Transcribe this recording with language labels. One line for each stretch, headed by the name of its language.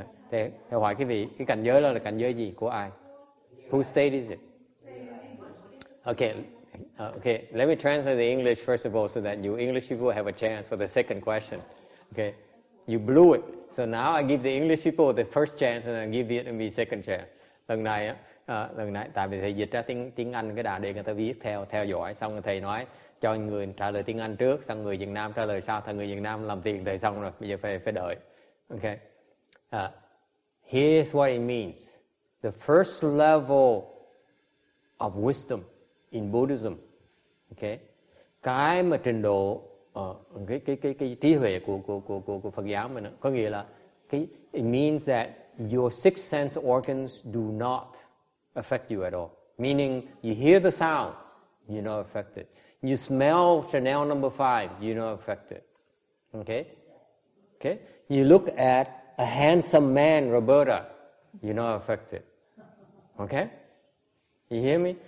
Vietnamese: Thế hỏi quý vị, cái cảnh giới đó là cảnh giới gì của ai?
English: Whose state is it? Okay, let me translate the English first of all so that you English people have a chance for the second question. Okay, you blew it. So now I give the English people the first chance and I give Vietnamese second chance.
Vietnamese: Lần này, tại vì thầy dịch ra tiếng Anh cái đà để người ta viết theo dõi. Xong thầy nói cho người trả lời tiếng Anh trước, xong người Việt Nam trả lời sau. Thầy người Việt Nam làm tiền thầy xong rồi, bây giờ phải đợi.
English: Okay. Here's what it means. The first level of wisdom in Buddhism. Okay.
Vietnamese: Cái mà trình độ cái trí huệ của Phật giáo mình có nghĩa là cái
English: it means that your six sense organs do not affect you at all. Meaning you hear the sound, you're not affected. You smell Chanel number 5, you're not affected. Okay? You look at a handsome man, Roberta, you're not affected. Okay? You hear me?